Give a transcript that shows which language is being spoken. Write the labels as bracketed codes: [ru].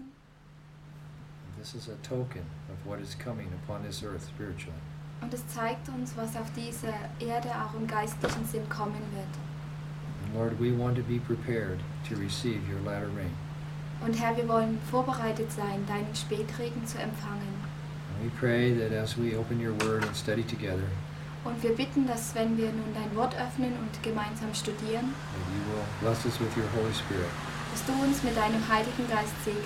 [en] And this is a token of what is coming upon this earth spiritually. [de] Und es zeigt uns, was auf dieser Erde auch im geistlichen Sinn kommen wird. [en] Lord, we want to be prepared to receive your latter rain. [de] Und Herr, wir wollen vorbereitet sein, deinen Spätregen zu empfangen. [en] And we pray that as we open your word and study together. [de] Und wir bitten, dass wenn wir nun dein Wort öffnen und gemeinsam studieren, [en] that you will bless us with your Holy Spirit. [de] Dass du uns mit deinem Heiligen Geist segnest.